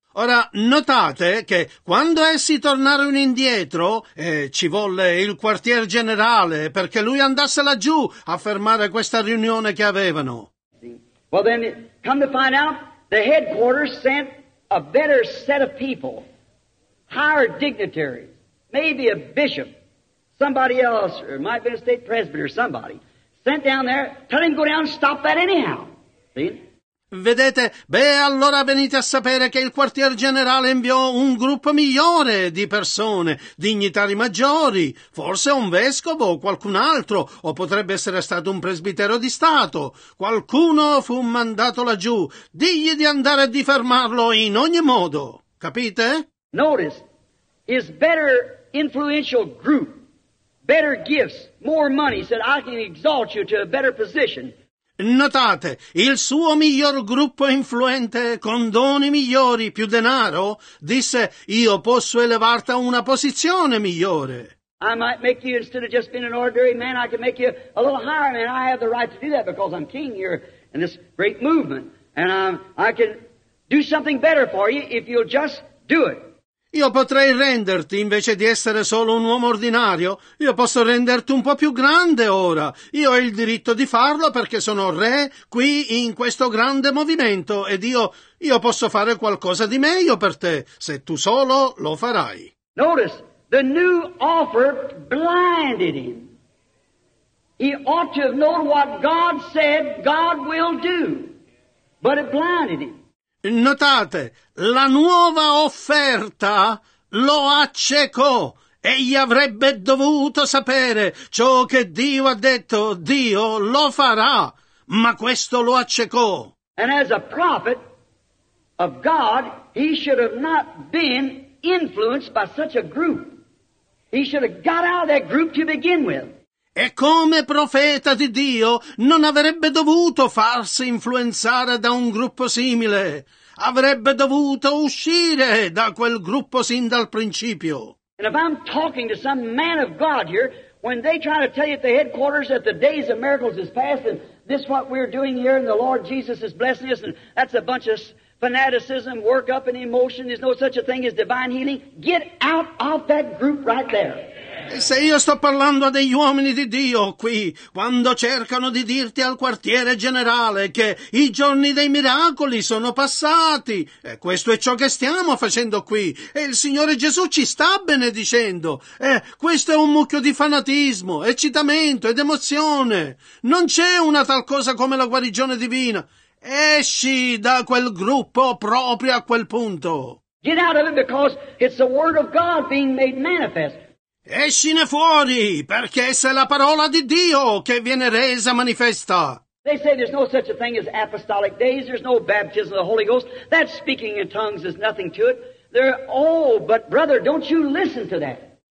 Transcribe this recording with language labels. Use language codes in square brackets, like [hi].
[it] Ora, notate che quando essi tornarono indietro, ci volle il quartier generale perché lui andasse laggiù a fermare questa riunione che avevano. [en] Well then, come to find out, the headquarters sent a better set of people, higher dignitaries, maybe a bishop, somebody else, or it might be a state presbyter, somebody, sent down there, tell him to go down and stop that anyhow. See? [it] Vedete, beh, allora venite a sapere che il quartier generale inviò un gruppo migliore di persone, dignitari maggiori, forse un vescovo o qualcun altro, o potrebbe essere stato un presbitero di Stato. Qualcuno fu mandato laggiù. Digli di andare e di fermarlo in ogni modo. Capite? [en] Notice, is better influential group, better gifts, more money, said I can exalt you to a better position. [it] Notate, il suo miglior gruppo influente, con doni migliori, più denaro, disse, io posso elevarti a una posizione migliore. [en] I might make you, instead of just being an ordinary man, I can make you a little higher man. I have the right to do that because I'm king here in this great movement. And I can do something better for you if you'll just do it. [it] Io potrei renderti, invece di essere solo un uomo ordinario, io posso renderti un po' più grande ora. Io ho il diritto di farlo perché sono re qui in questo grande movimento ed io posso fare qualcosa di meglio per te, se tu solo lo farai. [en] Notice, the new offer blinded him. He ought to have known what God said God will do, but it blinded him. [it] Notate, la nuova offerta lo accecò. Egli avrebbe dovuto sapere ciò che Dio ha detto, Dio lo farà, ma questo lo accecò. [en] And as a prophet of God, he should have not been influenced by such a group. He should have got out of that group to begin with. [it] E come profeta di Dio non avrebbe dovuto farsi influenzare da un gruppo simile. Avrebbe dovuto uscire da quel gruppo sin dal principio. [en] And if I'm talking to some man of God here, when they try to tell you at the headquarters that the days of miracles is past and this is what we're doing here and the Lord Jesus is blessing us and that's a bunch of fanaticism, work up and emotion, there's no such a thing as divine healing, get out of that group right there. [it] Se io sto parlando a degli uomini di Dio qui, quando cercano di dirti al quartiere generale che i giorni dei miracoli sono passati, e questo è ciò che stiamo facendo qui, e il Signore Gesù ci sta benedicendo, questo è un mucchio di fanatismo, eccitamento ed emozione, non c'è una tal cosa come la guarigione divina, esci da quel gruppo proprio a quel punto. [en] Get out of it because it's the word of God being made manifest. [it] Escine fuori, perché essa è la parola di Dio che viene resa manifesta. [en] They say there's no such a thing as apostolic days, there's no baptism of the Holy Ghost. That speaking in tongues is nothing to it. They're all, but brother, don't you listen to that.